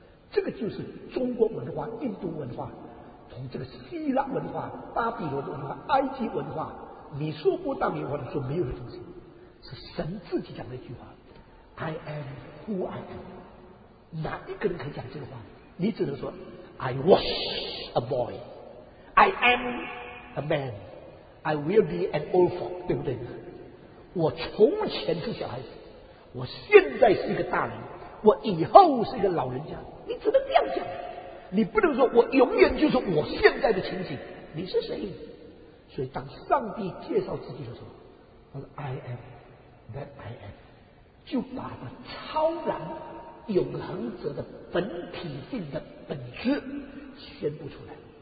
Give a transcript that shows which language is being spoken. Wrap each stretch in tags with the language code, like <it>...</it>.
<zh>这个就是中国文化、印度文化，从这个希腊文化、巴比伦文化、埃及文化，你说不到你我说没有的东西，是神自己讲的一句话</zh> <en>I am who I am。</en> <zh>哪一个人可以讲这个话？你只能说</zh> <en>I was a boy， I am a man， I will be an old folk，</en> <zh>对不对？我从前是小孩子，我现在是一个大人，我以后是一个老人家。你只能这样讲，你不能说我永远就是我现在的情景。你是谁？所以当上帝介绍自己的时候，他说</zh> <en>I am that I am，</en> <zh>就把他超然永恒者的本体性的本质宣布出来。</zh>